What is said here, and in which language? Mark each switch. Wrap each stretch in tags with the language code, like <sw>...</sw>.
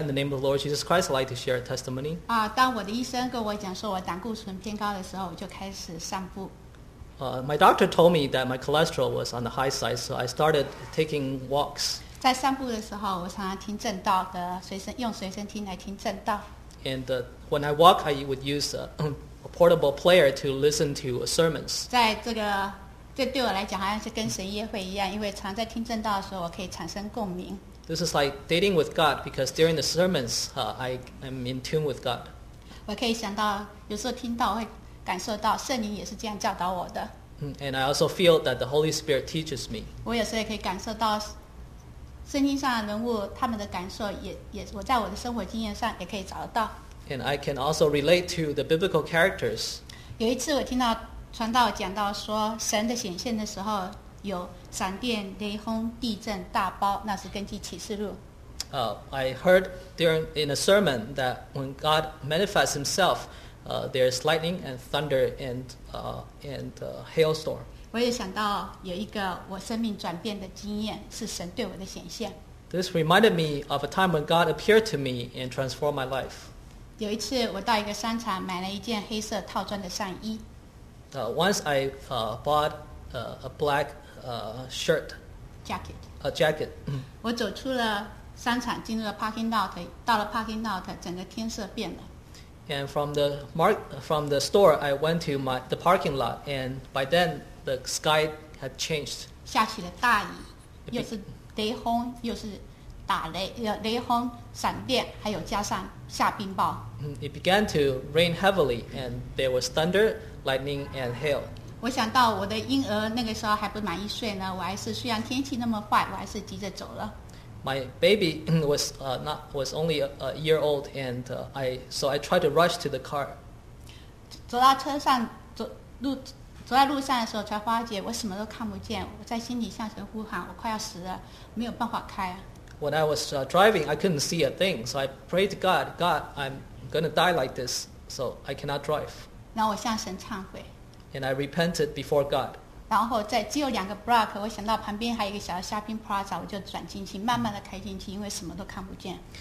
<en>In the name of the Lord Jesus Christ, I'd like to share a testimony.</en> <zh>当我的医生跟我讲说我胆固醇偏高的时候，我就开始散步。</zh> <en>My doctor told me that my cholesterol was on the high side, so I started taking walks.</en> <zh>在散步的时候，我常常听正道的随身听来听正道。</zh> <en>And when I walk, I would use a portable player to listen to sermons.</en> <zh>在这对我来讲好像是跟神约会一样，因为常在听正道的时候，我可以产生共鸣。</zh> <en>This is like dating with God because during the sermons, I am in tune with God.</en> <zh>我可以想到有时候听到会。感受到圣灵也是这样教导我的。</zh> <en>And I also feel that the Holy Spirit teaches me.</en> <zh>我有时候也可以感受到圣经上的人物他们的感受也我在我的生活经验上也可以找到。</zh> <en>And I can also relate to the biblical characters.</en> <zh>有一次我听到传道讲到说神的显现的时候有闪电、雷轰、地震、大雹，那是根据启示录。</zh> <en>I heard in a sermon that when God manifests himselfThere's lightning and thunder and hailstorm.</en> <zh>我也想到有一个我生命转变的经验是神对我的显现。</zh> <en>This reminded me of a time when God appeared to me and transformed my life.</en> <zh>有一次我到一个商场买了一件黑色套装的上衣。</zh> <en>Once I bought a black shirt. Jacket. A jacket.</en> <zh>我走出了商场，进入了 parking lot. 到了 parking lot， 整个天色变了。</zh> <en>And from the store, I went to the parking lot, and by then the sky had changed.</en> <zh>下起了大雨，又是雷轰，又是打雷，雷轰、闪电，还有加上下冰雹。</zh> <en>It began to rain heavily, and there was thunder, lightning, and hail.</en> <zh>我想到我的婴儿那个时候还不满一岁呢，虽然天气那么坏，我还是急着走了。</zh> <en>My baby was only a year old, and I tried to rush to the car.</en> <zh>走到车上，走在路上的时候，才发觉我什么都看不见。我在心里向神呼喊，我快要死了，没有办法开。</zh> <en>When I was driving, I couldn't see a thing. So I prayed to God, God, I'm going to die like this, so I cannot drive.</en> <zh>然后我向神忏悔。</zh> <en>And I repented before God.</en> <zh>然后在只有两个 block， 我想到旁边还有一个小的 shopping plaza， 我就转进去，慢慢的开进去，因为什么都看不见。</zh>